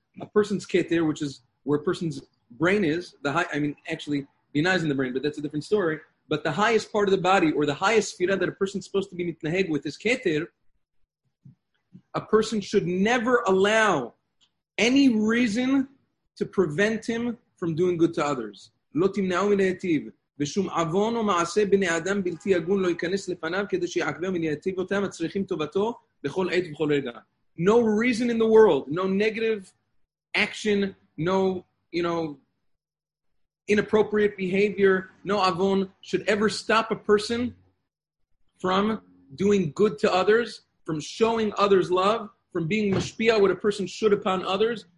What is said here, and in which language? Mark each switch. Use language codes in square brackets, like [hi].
[en] A person's keter, which is where a person's brain is, actually, bina is in the brain, but that's a different story. But the highest part of the body, or the highest sphira that a person's supposed to be mitnaheg with is keter, a person should never allow any reason to prevent him from doing good to others. [he] Lo timna'u mileyetiv. ושום עוון או מעשה בני אדם בלתי הגון לא ייכנס לפניו כדי שיעקבו מניעתיו אותם הצריכים טובתו בכל עת ובכל רגע. [en] No reason in the world, no negative action, no, you know, inappropriate behavior, no avon should ever stop a person from doing good to others, from showing others love, from being mashpia, what a person should upon others.